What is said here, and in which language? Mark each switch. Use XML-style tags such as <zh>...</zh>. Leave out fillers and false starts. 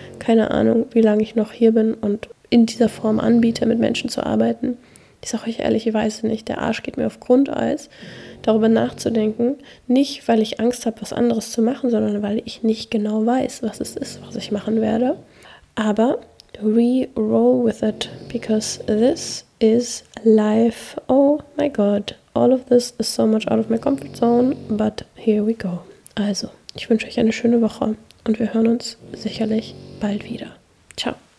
<de>Keine Ahnung, wie lange ich noch hier bin und in dieser Form anbiete, mit Menschen zu arbeiten. Ich sage euch ehrlich, ich weiß es nicht. Der Arsch geht mir auf Grundeis, darüber nachzudenken. Nicht, weil ich Angst habe, was anderes zu machen, sondern weil ich nicht genau weiß, was es ist, was ich machen werde.</de> <en>Aber we roll with it, because this is life. Oh my God, all of this is so much out of my comfort zone, but here we go.</en> <de>Also, ich wünsche euch eine schöne Woche und wir hören uns sicherlich bald wieder. Ciao.</de>